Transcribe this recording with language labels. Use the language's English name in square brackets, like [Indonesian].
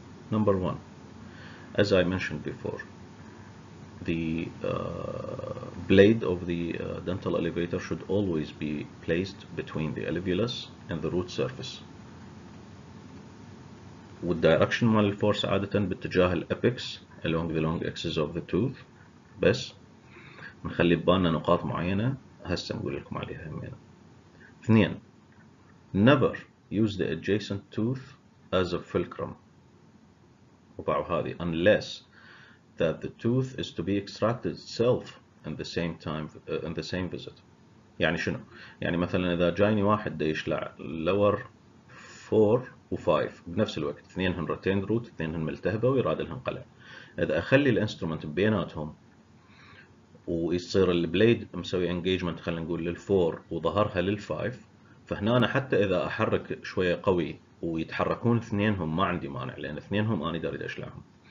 [English] Number one, as I mentioned before, the blade of the dental elevator should always be placed between the alveolus and the root surface. With direction mal force [Arabic] adatan bittijah [English] al-apex along the long axis of the tooth. [Arabic] بس نخلي ببالنا نقاط معينة هسه نقول لكم عليها همينة. اثنين. [English] Never use the adjacent tooth as a fulcrum unless that the tooth is to be extracted itself in the same time in the same visit. [Arabic] يعني شنو؟ يعني مثلا اذا جايني واحد يشلع lower 4 و 5 بنفس الوقت، اثنين هن retained root، اثنين هن ملتهبه ويراد لهم قلع. اذا اخلي الانسترومنت بيناتهم ويصير البليد مسوي انجيجمنت خلينا نقول لل 4 وظهرها لل 5، فهنا أنا حتى إذا أحرك شوية قوي ويتحركون اثنينهم ما عندي مانع، لأن اثنينهم أنا داريد أشلعهم.